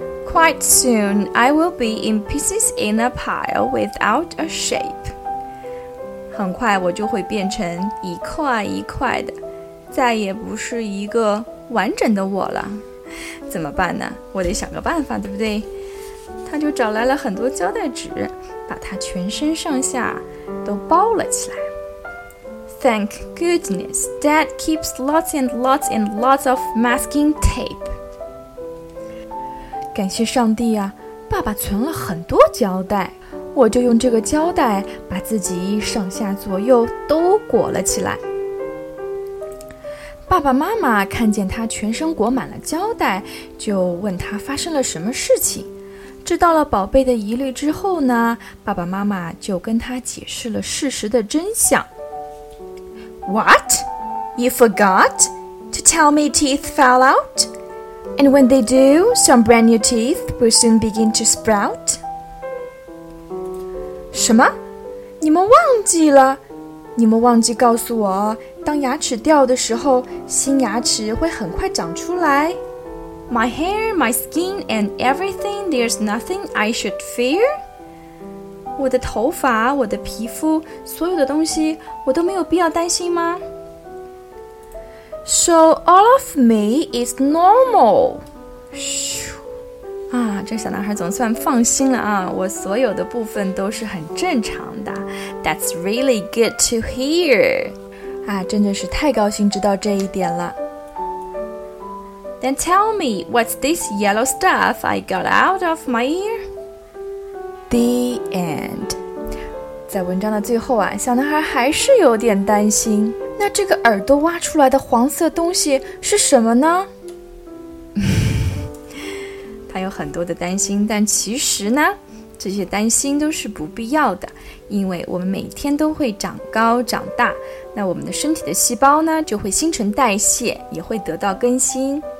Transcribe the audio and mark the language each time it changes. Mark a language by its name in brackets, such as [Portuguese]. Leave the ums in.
[English] Quite soon, I will be in pieces in a pile without a shape. [Chinese] 很快我就会变成一块一块的，再也不是一个完整的我了。怎么办呢？我得想个办法，对不对？他就找来了很多胶带纸，把他全身上下都包了起来。 [English] Thank goodness, Dad keeps lots and lots and lots of masking tape. [Chinese] 感谢上帝啊！爸爸存了很多胶带，我就用这个胶带把自己上下左右都裹了起来。爸爸妈妈看见他全身裹满了胶带，就问他发生了什么事情。知道了宝贝的疑虑之后呢，爸爸妈妈就跟他解释了事实的真相。 [English] What? You forgot to tell me teeth fell out? And when they do, some brand new teeth will soon begin to sprout. [Chinese] 什么？你们忘记了？你们忘记告诉我，当牙齿掉的时候，新牙齿会很快长出来。 [English] My hair, my skin, and everything. There's nothing I should fear. [Chinese] 我的头发，我的皮肤，所有的东西，我都没有必要担心吗？ [English] So all of me is normal. 咻！ [Chinese] 啊，这小男孩总算放心了啊！我所有的部分都是很正常的。 [English] That's really good to hear. [Chinese] 啊，真的是太高兴知道这一点了。 [English] Then tell me, what's this yellow stuff I got out of my ear? The end. [Chinese] 在文章的最后啊，小男孩还是有点担心。那这个耳朵挖出来的黄色东西是什么呢？他有很多的担心，但其实呢，这些担心都是不必要的，因为我们每天都会长高长大，那我们的身体的细胞呢就会新陈代谢，也会得到更新。